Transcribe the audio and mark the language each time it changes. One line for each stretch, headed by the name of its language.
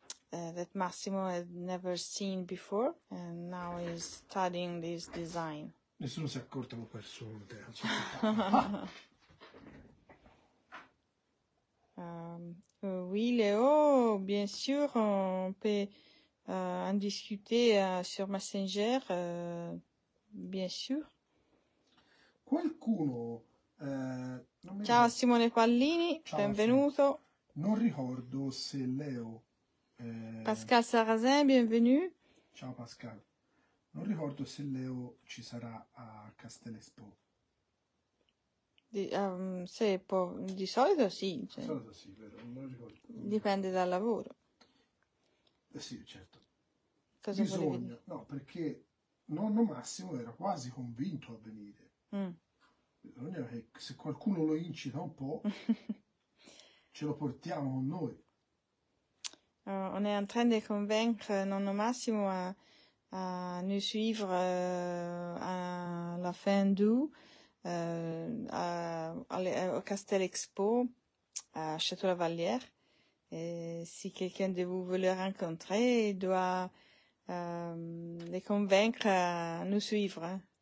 English: That Massimo had never seen before, and now he's studying this design.
Italian: Nessuno si è accorto, ma ho perso un'idea, non sono capace. Ah!
French: Oui, Léo, bien sûr, on peut en discuter sur Messenger, bien sûr.
Italian: Qualcuno, non mi Ciao ricordo. Simone Pallini, Ciao Massimo, benvenuto. Non ricordo se Leo...
French: Pascal Sarrazin, bienvenue.
Italian: Ciao Pascal. Non ricordo se Leo ci sarà a Castellespo. Se può, di solito sì. Cioè. Di solito sì, vero. Non ricordo. Dipende dal lavoro. Sì, certo. Cosa bisogna, no, perché nonno Massimo era quasi convinto a venire. Bisogna che se qualcuno lo incita un po', ce lo portiamo con noi.
French: On est en train de convaincre nonno Massimo a nous suivre à la fin d'août au Castel Expo à Château-la-Vallière. Et si quelqu'un de vous veut le rencontrer, il doit le convaincre à nous suivre.